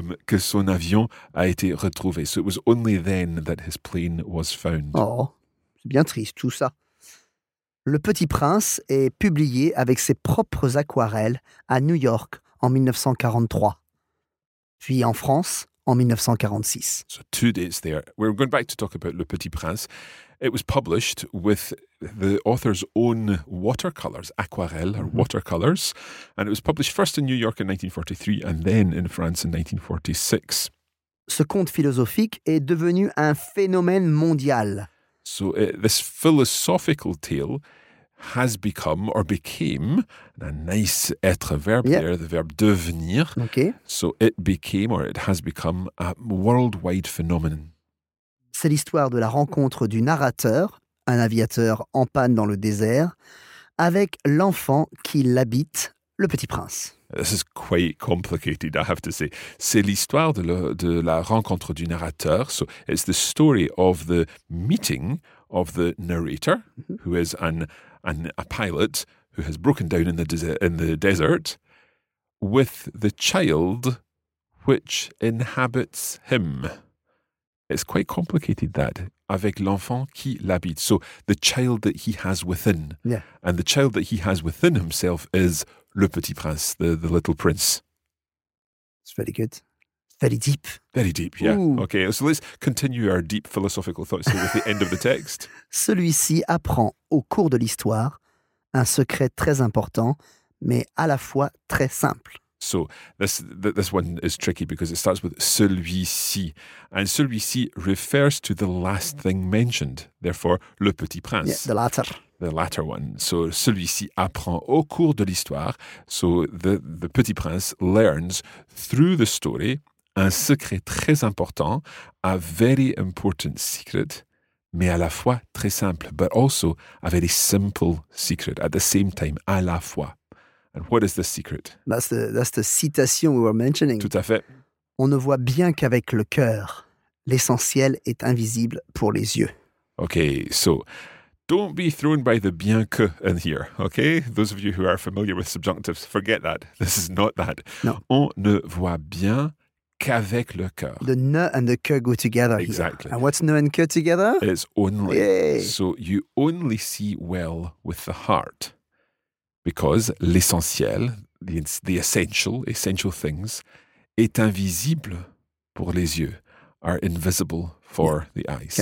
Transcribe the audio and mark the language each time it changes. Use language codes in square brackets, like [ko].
[fr] que son avion a été retrouvé. [en] So it was only then that his plane was found. [fr] Oh, c'est bien triste tout ça. Le Petit Prince est publié avec ses propres aquarelles à New York en 1943, puis en France en 1946. [en] So 2 dates there. We're going back to talk about Le Petit Prince. It was published with the author's own watercolors, aquarelle or watercolors, and it was published first in New York in 1943 and then in France in 1946. [fr] Ce conte philosophique est devenu un phénomène mondial. [en] So this philosophical tale has become or became, and a nice être verb, yep, there, the verb devenir. Okay. So it became or it has become a worldwide phenomenon. [fr] C'est l'histoire de la rencontre du narrateur, un aviateur en panne dans le désert, avec l'enfant qui l'habite, le petit prince. [en] This is quite complicated, I have to say. [fr] C'est l'histoire de la rencontre du narrateur. [en] So it's the story of the meeting of the narrator, mm-hmm, who is a pilot who has broken down in the desert with the child which inhabits him. It's quite complicated, that. [fr] Avec l'enfant qui l'habite. [en] So the child that he has within. Yeah. And the child that he has within himself is le petit prince, the little prince. It's very good. Very deep. Very deep, yeah. Ooh. Okay, so let's continue our deep philosophical thoughts here with the end of the text. [fr] Celui-ci apprend au cours de l'histoire un secret très important, mais à la fois très simple. [en] So, this one is tricky because it starts with celui-ci. And celui-ci refers to the last thing mentioned. Therefore, Le Petit Prince. Yeah, the latter. The latter one. [fr] So, celui-ci apprend au cours de l'histoire. [en] So, the Petit Prince learns through the story [fr] un secret très important, [en] a very important secret, [fr] mais à la fois très simple, [en] but also a very simple secret at the same time, [fr] à la fois. [en] And what is the secret? That's the citation we were mentioning. [fr] Tout à fait. On ne voit bien qu'avec le cœur. L'essentiel est invisible pour les yeux. [en] Okay, so don't be thrown by the bien que in here, okay? Those of you who are familiar with subjunctives, forget that. This is not that. No. [fr] On ne voit bien qu'avec le cœur. [en] The ne and the que go together. Exactly. Here. And what's ne and que together? It's only. Yay. So you only see well with the heart. Because l'essentiel, the essential things, [fr] est invisible pour les yeux, [en] are invisible for the eyes.